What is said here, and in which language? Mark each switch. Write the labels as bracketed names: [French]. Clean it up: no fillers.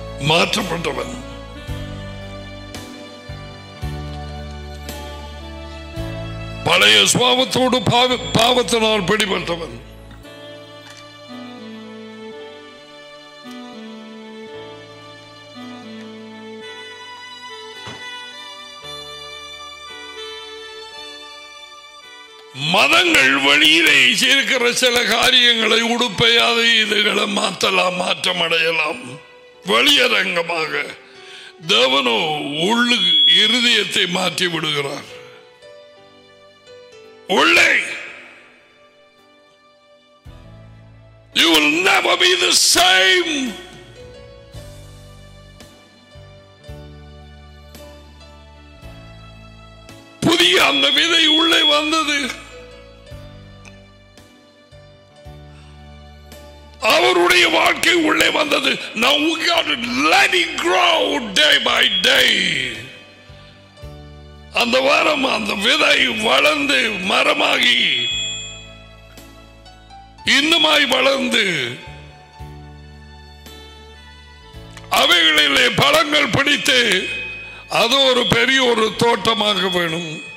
[Tamil] மாற்றப்பட்டவன் பழைய சுவாவத்தோடு பாவத்தினால் பிடிபட்டவன் மதங்கள் வழியிலே சேர்க்கிற சில காரியங்களை உடுப்பையாக இதுகளை மாற்றலாம், மாற்றம் அடையலாம். வெளியரங்கமாக தேவனோ உள்ளு இருதயத்தை மாற்றி விடுகிறார். உள்ளே [English] You will never be the same. [Tamil] புதிய அந்த விதை உள்ளே வந்தது. அவருடைய வாழ்க்கை உள்ளே வந்தது. [English] Now we got to let it grow day by day. [Tamil] அந்த வாரம் அந்த விதை வளர்ந்து மரமாகி இன்னுமாய் வளர்ந்து அவைகளிலே பழங்கள் பிடித்து அது ஒரு பெரிய ஒரு தோட்டமாக வேணும்.